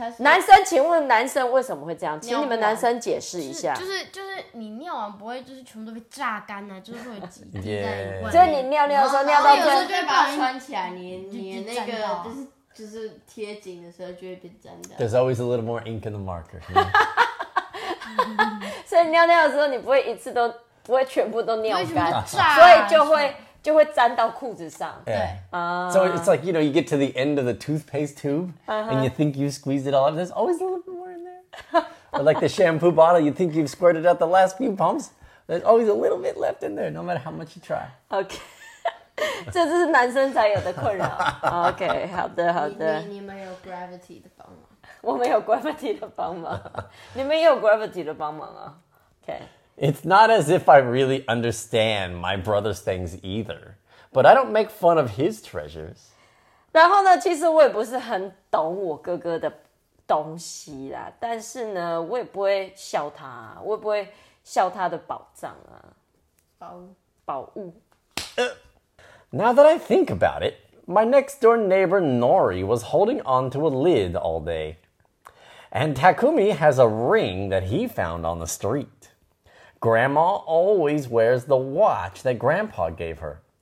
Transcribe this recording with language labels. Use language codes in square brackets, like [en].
[zh] 男生，请问男生为什么会这样？请你们男生解释一下。就是你尿完不会就是全部都被榨干啊，就是会有几滴在里面。就是你尿尿的时候尿到，有时候就会把它穿起来，你那个就是贴紧的时候就会被沾到。 [en] There's always a little more ink in the marker.、Yeah. [zh] 所以尿尿的时候，你不会一次都不会全部都尿干，所以就会沾到裤子上。对、 [en] yeah. So it's like you know, you get to the end of the toothpaste tube,、uh-huh. and you think you squeezed it all out. There's always a little bit more in there. Or like the shampoo bottle, you think you've squirted out the last few pumps. There's always a little bit left in there, no matter how much you try. [zh] Okay, 这是男生才有的困扰。Okay, 好的好的。你们有 gravity 的方法。我们有 gravity 的帮忙，你们也有 gravity 的帮忙啊。Okay. [en] It's not as if I really understand my brother's things either, but I don't make fun of his treasures. [zh] 然后呢，其实我也不是很懂我哥哥的东西啦，但是呢，我也不会笑他、啊，我也不会笑他的宝藏啊，宝物。 [en] Now that I think about it, my next door neighbor Nori was holding on to a lid all day. And Takumi has a ring that he found on the street. Grandma always wears the watch that Grandpa gave her.